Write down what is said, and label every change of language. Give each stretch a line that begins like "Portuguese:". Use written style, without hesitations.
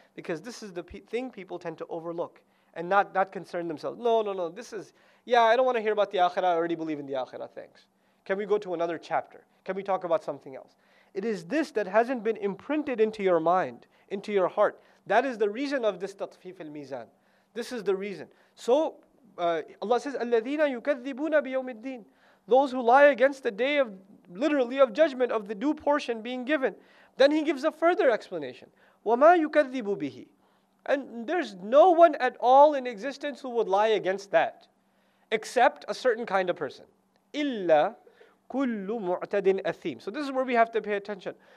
English: Because this is the thing people tend to overlook and not concern themselves. No, this is, yeah, I don't want to hear about the akhirah, I already believe in the akhirah, thanks. Can we go to another chapter? Can we talk about something else? It is this that hasn't been imprinted into your mind, into your heart. That is the reason of this tatfif al-mizan. This is the reason. So Allah says,
Arabic: الَّذِينَ يُكَذِّبُونَ بِيَوْمِ الدِّينِ.
English: Those who lie against the day of, literally of judgment, of the due portion being given. Then he gives a further explanation.
Arabic: وَمَا يُكَذِّبُ بِهِ.
English: And there's no one at all in existence who would lie against that. Except a certain kind of person.
Arabic: إِلَّا كُلُّ مُعْتَدٍ أَثِيمٍ.
English: So this is where we have to pay attention.